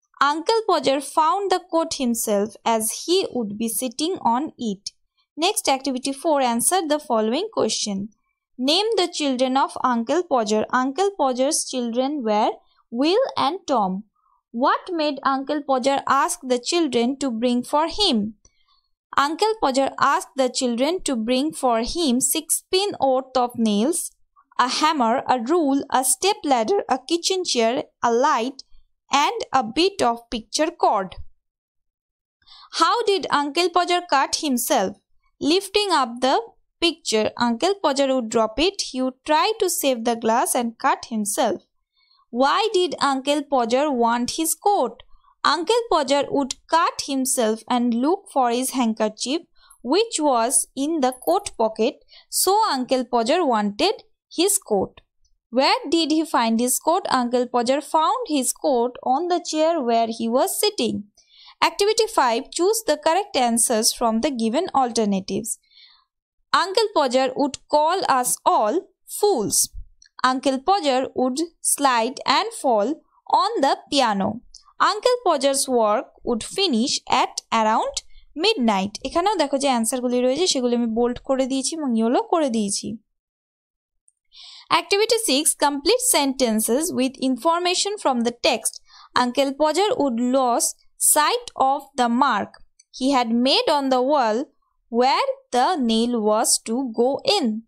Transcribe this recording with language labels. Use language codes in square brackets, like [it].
[en] Uncle Podger found the coat himself as he would be sitting on it. Next activity 4, answer the following question, name the children of uncle Podger. Uncle Podger's children were Will and Tom. What made uncle Podger ask the children to bring for him. Uncle Podger ask the children to bring for him 16 worth of nails, a hammer, a rule, a step ladder, a kitchen chair, a light, and a bit of picture cord. How did Uncle Pajar cut himself? Lifting up the picture, Uncle Pajar would drop it. He would try to save the glass and cut himself. Why did Uncle Pajar want his coat? Uncle Pajar would cut himself and look for his handkerchief, which was in the coat pocket. So Uncle Pajar wanted his coat. Where did he find his coat? Uncle Pajar found his coat on the chair where he was sitting. Activity 5, choose the correct answers from the given alternatives. Uncle Pajar would call us all fools. Uncle Pajar would slide and fall on the piano. Uncle Pajar's work would finish at around [bn] midnight, এখানেও দেখো যে অ্যান্সারগুলি রয়েছে সেগুলি আমি bold করে দিয়েছি এবং yellow করে দিয়েছি। [en] Activity six, complete sentences with information from the text. Uncle Podger would lose sight of the mark he had made on the wall where the nail was to go in.